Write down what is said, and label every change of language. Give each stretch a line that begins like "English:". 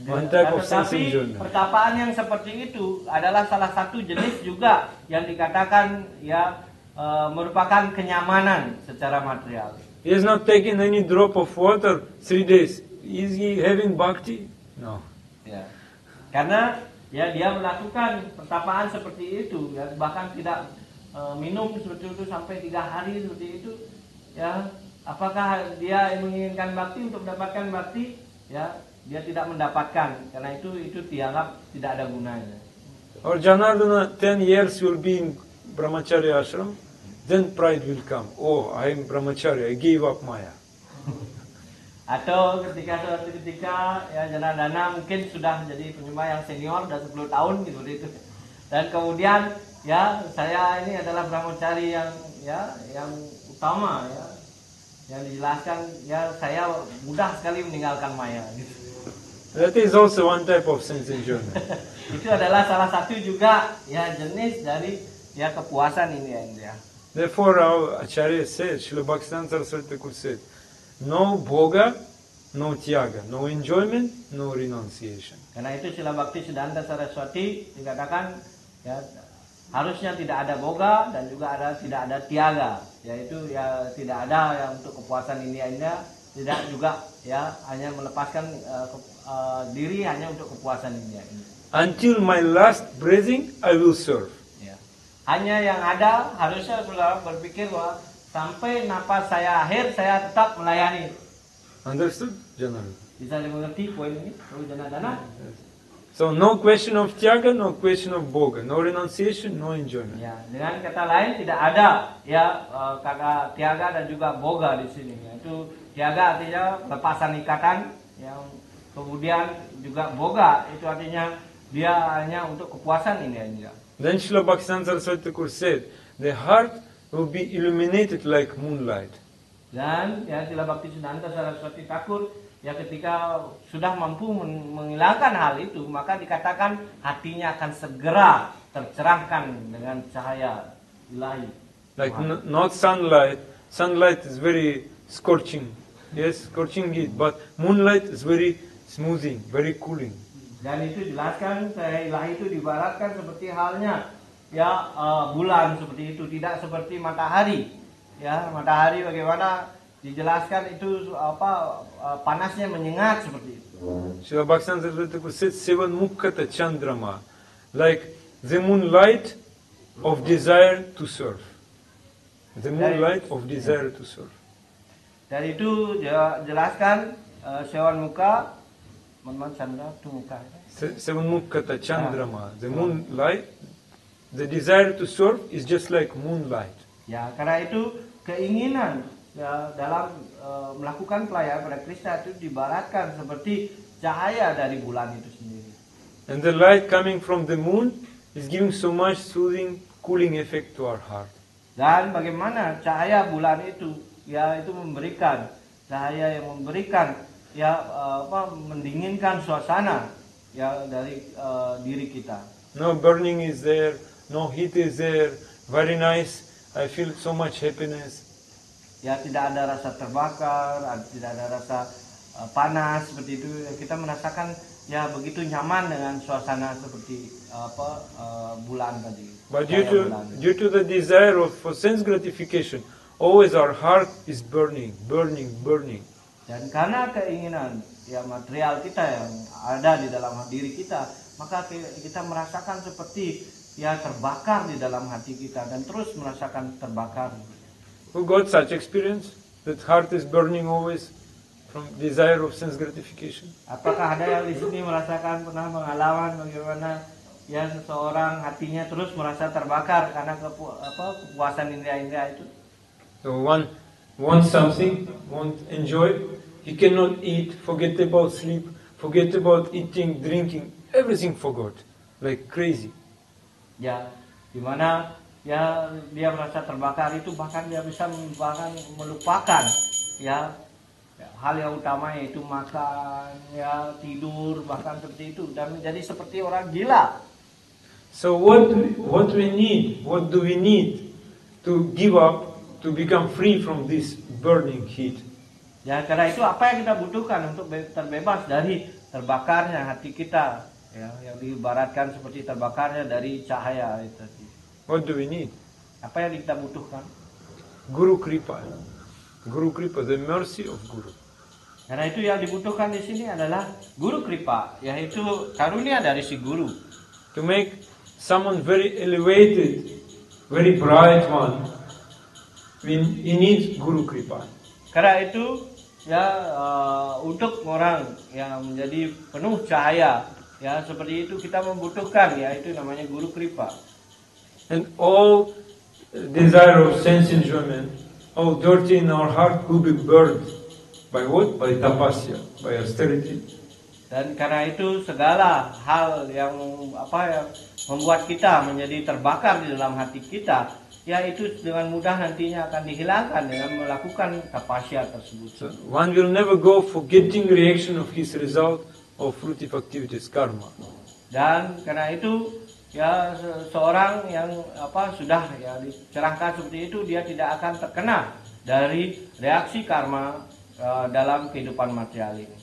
Indonesian: Tapi pertapaan yang seperti itu adalah salah satu jenis juga yang dikatakan ya merupakan kenyamanan secara material.
English: He has not taken any drop of water 3 days. Is he having bhakti? No.
Indonesian: Ya. Karena ya dia melakukan pertapaan seperti itu, ya, bahkan tidak minum seperti itu sampai 3 hari seperti itu. Ya, apakah dia menginginkan bhakti untuk mendapatkan bhakti? Ya, dia tidak mendapatkan. Karena itu dianggap tidak ada gunanya.
English: Or Janardana 10 years will be in Brahmacharya ashram. Then pride will come. Oh, I am brahmacharya. I gave up maya.
Indonesian: Atau ketika suatu ketika ya Janardana mungkin sudah menjadi penyembah yang senior sudah 10 tahun gitu itu. Dan kemudian ya saya ini adalah brahmacari yang utama ya. Yang dijelaskan ya saya mudah sekali meninggalkan maya gitu.
English: That is also one type of sense enjoyment.
Indonesian: Itu adalah salah satu juga ya jenis dari ya kepuasan ini ya.
English: Therefore our acharya says, Śrīla Bhaktisiddhānta Saraswati Thakur said, no bhoga, no tyaga, no enjoyment, no renunciation.
Indonesian: Karena itu Śrīla Bhaktisiddhānta Saraswati dikatakan ya harusnya tidak ada bhoga dan juga ada tidak ada tyaga, yaitu ya tidak ada yang untuk kepuasan ini ya, tidak juga ya hanya melepaskan diri hanya untuk kepuasan ini ya.
English: Until my last breathing I will serve.
Indonesian: Hanya yang ada harusnya sudah berpikir bahwa sampai napas saya akhir saya tetap melayani.
English: Understood, Janardana?
Indonesian: Bisa dimengerti poin ini, Prabhu Janardana?
English: So no question of tyaga, no question of bhoga, no renunciation, no enjoyment.
Indonesian: Ya, dengan kata lain tidak ada ya kata tyaga dan juga bhoga di sini. Itu tyaga artinya lepasan ikatan, yang kemudian juga bhoga itu artinya dia hanya untuk kepuasan ini aja.
English: Then Śrīla Bhaktisiddhānta Saraswati Thakur said, the heart will be illuminated like moonlight.
Indonesian: Dan ya Śrīla Bhaktisiddhānta Saraswati Thakur ya ketika sudah mampu menghilangkan hal itu, maka dikatakan hatinya akan segera tercerahkan dengan cahaya ilahi.
English: Like not sunlight. Sunlight is very scorching. Yes, scorching heat. But moonlight is very smoothing, very cooling.
Indonesian: Dan itu jelaskan saya ilahi itu diibaratkan seperti halnya ya bulan seperti itu, tidak seperti matahari ya. Matahari bagaimana dijelaskan itu apa panasnya menyengat seperti itu.
English: Śrīla Bhaktisiddhānta Saraswati Thakur said, seven mukhata chandrama, like the moonlight of desire to serve, the moonlight of desire to serve.
Indonesian: Dan itu jelaskan seven muka man chandra tu muka.
English: Seven mukhata chandrama, the moonlight, the desire to serve is just like moonlight.
Indonesian: Ya, karena itu keinginan ya, dalam melakukan pelayanan pada Krishna itu dibaratkan seperti cahaya dari bulan itu sendiri.
English: And the light coming from the moon is giving so much soothing, cooling effect to our heart.
Indonesian: Dan bagaimana cahaya bulan itu, ya itu memberikan cahaya yang memberikan ya apa mendinginkan suasana. Ya dari diri kita.
English: No burning is there, no heat is there. Very nice. I feel so much happiness.
Indonesian: Ya tidak ada rasa terbakar, tidak ada rasa panas seperti itu. Kita merasakan ya begitu nyaman dengan suasana seperti apa bulan tadi.
English: But due to the desire of for sense gratification, always our heart is burning, burning, burning.
Indonesian: Dan karena keinginan ya material kita yang ada di dalam diri kita, maka kita merasakan seperti ya terbakar di dalam hati kita dan terus merasakan terbakar.
English: Who got such experience that heart is burning always from desire of sense gratification?
Indonesian: Apakah ada yang di sini merasakan pernah pengalaman bagaimana ya seseorang hatinya terus merasa terbakar karena kepuasan indra-indra itu?
English: So one want something, want enjoy. He cannot eat, forget about sleep, forget about eating, drinking, everything forgot, like crazy.
Indonesian: Ya, dimana ya dia merasa terbakar itu bahkan dia bisa bahkan melupakan ya hal yang utama yaitu makan, ya tidur, bahkan seperti itu dan menjadi seperti orang gila.
English: So what do we need to give up to become free from this burning heat?
Indonesian: Ya karena itu apa yang kita butuhkan untuk terbebas dari terbakarnya hati kita ya, yang diibaratkan seperti terbakarnya dari cahaya itu.
English: What do we need?
Indonesian: Apa yang kita butuhkan?
English: Guru Kripa. Guru Kripa, the mercy of Guru.
Indonesian: Karena itu yang dibutuhkan di sini adalah Guru Kripa, yaitu karunia dari si Guru.
English: To make someone very elevated, very bright one, we need Guru Kripa.
Indonesian: Karena itu ya untuk orang yang menjadi penuh cahaya ya seperti itu kita membutuhkan ya itu namanya Guru Kripa.
English: And all desire of sense enjoyment, all dirty in our heart will be burned by what? By tapasya, by austerity.
Indonesian: Dan karena itu segala hal yang apa yang membuat kita menjadi terbakar di dalam hati kita ya itu dengan mudah nantinya akan dihilangkan dengan melakukan tapasya tersebut.
English: So, one will never go for getting reaction of his result of fruitive activities karma.
Indonesian: Dan karena itu ya seorang yang apa sudah ya dicerahkan seperti itu dia tidak akan terkena dari reaksi karma dalam kehidupan material ini.